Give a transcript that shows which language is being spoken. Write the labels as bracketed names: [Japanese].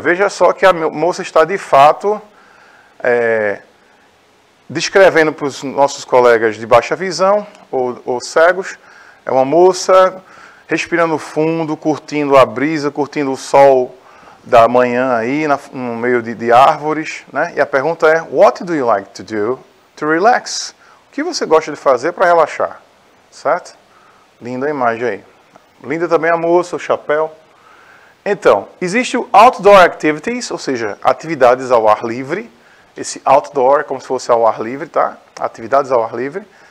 [Portuguese] Veja só que a moça está de fato descrevendo para os nossos colegas de baixa visão ou cegos. É uma moça respirando fundo, curtindo a brisa, curtindo o sol da manhã aí no meio de árvores. Né? E a pergunta é: [English] what do you like to do to relax? [Portuguese] O que você gosta de fazer para relaxar? Certo? Linda a imagem aí. Linda também a moça, o chapéu. Então, existe o outdoor activities, ou seja, atividades ao ar livre. Esse outdoor é como se fosse ao ar livre, tá? Atividades ao ar livre.